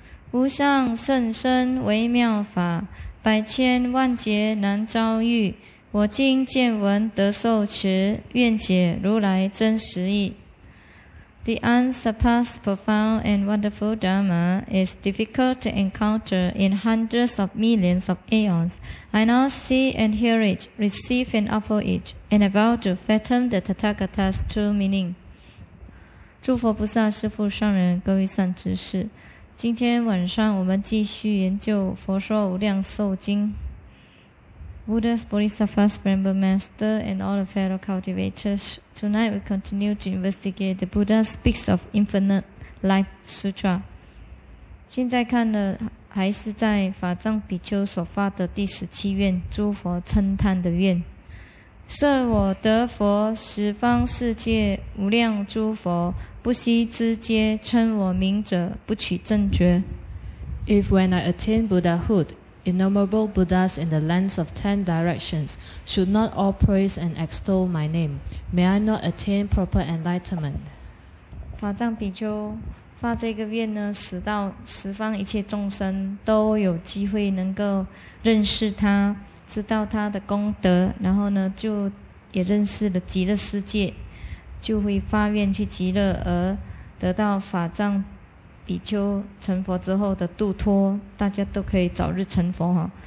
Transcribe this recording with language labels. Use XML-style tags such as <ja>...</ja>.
<zh>无上甚深微妙法，百千万劫难遭遇，我今见闻得受持，愿解如来真实义。</zh> <en>The unsurpassed profound and wonderful Dharma is difficult to encounter in hundreds of millions of aeons. I now see and hear it, receive and offer it, and about to fathom the Tathagata's true meaning.</en> <zh>诸佛菩萨、师父、上人、各位善知识，今天晚上我们继续研究《佛说无量寿经》。</zh> <en>Buddhas, Bodhisattvas, Brahma Master, and all the fellow cultivators, tonight we continue to investigate the Buddha Speaks of Infinite Life Sutra.</en> <zh>现在看的还是在法藏比丘所发的第十七愿，诸佛称叹的愿。设我得佛，十方世界无量诸佛，不悉知皆称我名者，不取正觉。</zh> <en>If when I attain Buddhahood, innumerable Buddhas in the lands of 10 directions should not all praise and extol my name, may I not attain proper enlightenment?</en> <zh>法藏比丘发这个愿呢，使到十方一切众生都有机会能够认识他，知道他的功德，然后呢，就也认识了极乐世界，就会发愿去极乐，而得到法藏比丘成佛之后的度脱，大家都可以早日成佛哈。</zh>